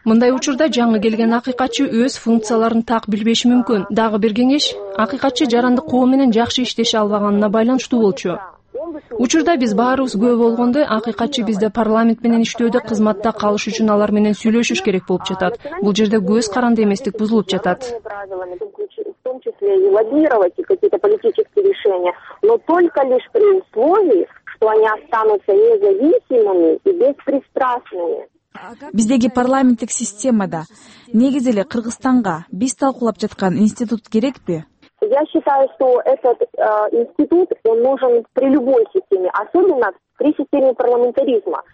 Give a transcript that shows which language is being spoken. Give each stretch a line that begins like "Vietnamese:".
Kyrgyz: Мындай учурда жаңы келген акыйкатчы өз функцияларын так билбеши мүмкүн. Дагы бир кеңеш, акыйкатчы жарандык коом менен жакшы иштеше албаганына байланыштуу болчу. Учурда биз баарыбыз көп болгондой, акыйкатчы бизде парламент менен иштөөдө кызматта калыш үчүн алар менен сүйлөшүш керек болуп жатат. Бул жерде көз каранды эместик бузулуп жатат.
Russian: В том числе и лоббировать какие-то политические решения, но только лишь при условии, что они останутся независимыми и беспристрастными.
Kyrgyz: Биздеги парламенттик системада негиз эле Кыргызстанга биз талкуулап жаткан институт керекпи?
Russian: Я считаю, что этот институт он нужен при любой системе, особенно при системе парламентаризма.